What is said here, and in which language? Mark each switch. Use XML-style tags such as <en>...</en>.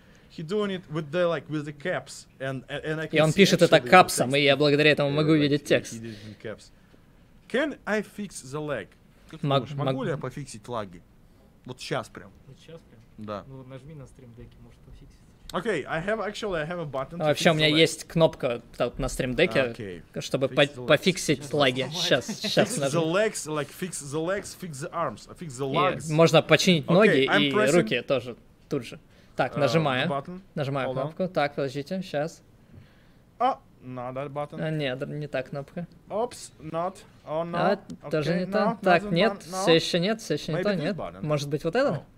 <en>He doing it with the like with the caps and I can.</en> <ru>И он пишет это капсом, и я благодаря этому могу видеть текст.</ru> <en>Can I fix the lag?</en> <ru>Могу ли я пофиксить лаги? Вот сейчас прям. Да. Ну нажми на стрим деке, может пофиксить.</ru> <en>Okay, I have a button.</en> <ru>Вообще у меня есть кнопка тут на стрим деке, чтобы пофиксить лаги. Сейчас нажму.</ru> <en>The legs, like fix the legs, fix the arms, fix the legs.</en> <ru>Можно починить ноги и руки тоже тут же. Так, нажимаю. Нажимаю кнопку. Так, подождите, сейчас.</ru> <en>Not that button.</en> <ru>Нет, не та кнопка.</ru> <en>Oops, not. Oh, no.</en> <ru>Тоже не та. Так, нет, все еще нет, все еще не то, нет. Может быть, вот это?</ru>